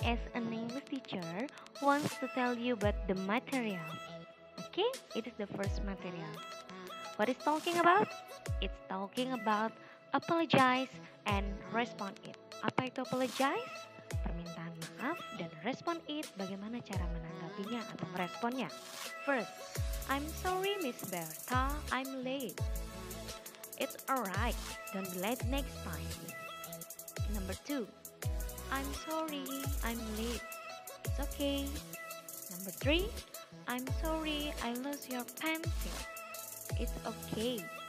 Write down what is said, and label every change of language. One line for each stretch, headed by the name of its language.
English: As an English teacher, wants to tell you about the material. Okay, it is the first material. What is talking about? It's talking about apologize and respond it.
Indonesian: Apa itu apologize? Permintaan maaf dan respond it. Bagaimana cara menanggapinya atau meresponnya?
English: First, I'm sorry, Miss Bertha. I'm late. It's alright, don't be late next time. Number 2, I'm sorry, I'm late. It's okay. Number 3, I'm sorry, I lost your pencil. It's okay.